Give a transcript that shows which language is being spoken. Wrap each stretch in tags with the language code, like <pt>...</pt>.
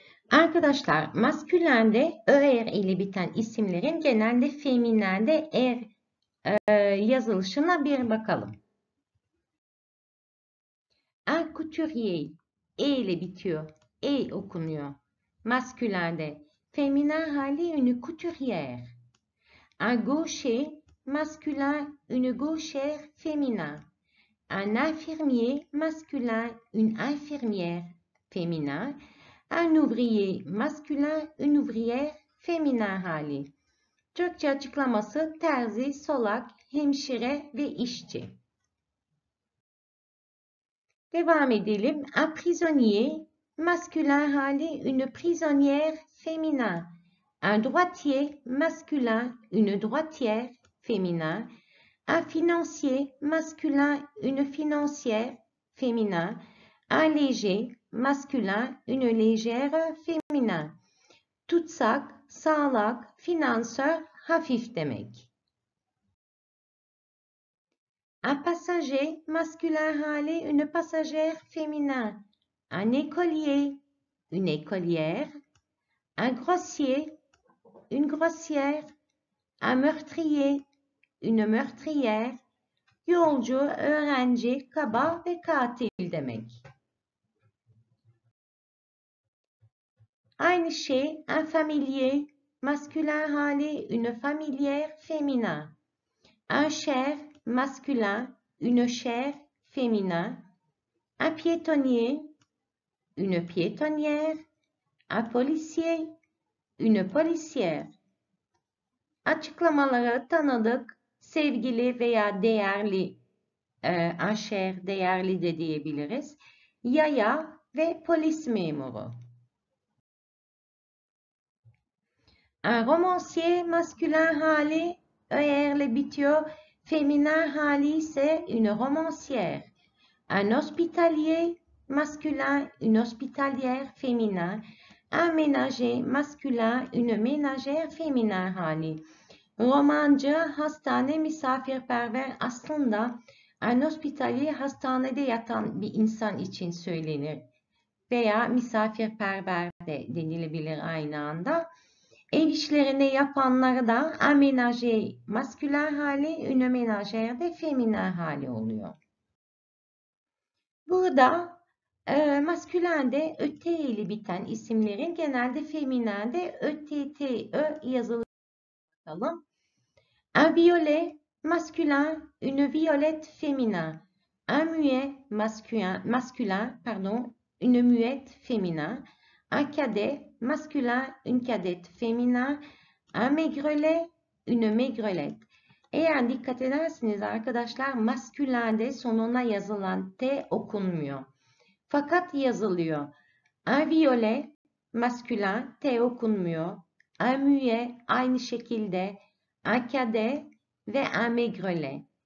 <tr>Arkadaşlar, maskülende er ile biten isimlerin genelde feminende yazılışına bir bakalım.</tr> <fr>Un couturier,</fr> <tr>e ile bitiyor. E okunuyor. Maskülende feminen hali</tr> <fr>une couturière. Un gaucher, maskülen une gauchère feminen. Un infirmier, maskülen une infirmière feminen. Un ouvrier, maskülen, une ouvrière, féminin hali.</fr> <tr>Türkçe açıklaması, terzi, solak, hemşire ve işçi. Devam edelim.</tr> <fr>Un prisonnier,</fr> <tr>maskülen hali,</tr> <fr>une prisonnière, féminin. Un droitier, maskülen, une droitière, féminin. Un financier, maskülen, une financière, féminin. Un léger, maskülen, une légère, féminin.</fr> <tr>Tutsak, sağlak, finansör, hafif demek.</tr> <fr>Un passager,</fr> <tr>maskülen hali,</tr> <fr>une passagère, féminin. Un écolier, une écolière. Un grossier, une grossière. Un meurtrier, une meurtrière.</fr> <tr>Yolcu, öğrenci, kaba ve katil demek. Aynı şey,</tr> <fr>un familier,</fr> <tr>maskülen hali,</tr> <fr>une familière, féminin. Un cher, maskülen, une chère, féminin. Un piétonnier, une piétonnière. Un policier, une policière.</fr> <tr>Açıklamaları tanıdık, sevgili veya değerli,</tr> <fr>un cher,</fr> <tr>değerli de diyebiliriz. Yaya ve polis memuru.</tr> <fr>Un romancier</fr> <tr>maskülen hali er ile bitiyor. Feminen hali ise</tr> <fr>une romancière. Un hospitalier maskülen, une hospitalière féminin. Un ménager maskülen, une ménagère</fr> <tr>féminin hali. Romancı hastane misafirperver aslında</tr> <fr>un hospitalier</fr> <tr>hastanede yatan bir insan için söylenir. Veya misafirperver de denilebilir aynı anda. Ev işlerini yapanlar da amenaje maskülen hali, üne menajer de feminen hali oluyor. Burada maskülen de öte ile biten isimlerin genelde feminen de öte te ö yazılı bakalım.</tr> <fr>Un violet maskülen, une violette feminen. Un muet maskülen, pardon, une muette feminen. Un cadet maskülen, une cadette féminin. Un maigrelet, une maigrelette.</fr> <tr>Eğer dikkat ederseniz arkadaşlar, maskülen de sonuna yazılan T okunmuyor. Fakat yazılıyor. Un violet, maskülen, T okunmuyor.</tr> <fr>Un muet,</fr> <tr>aynı şekilde.</tr> <fr>Un cadet ve un maigrelet.</fr>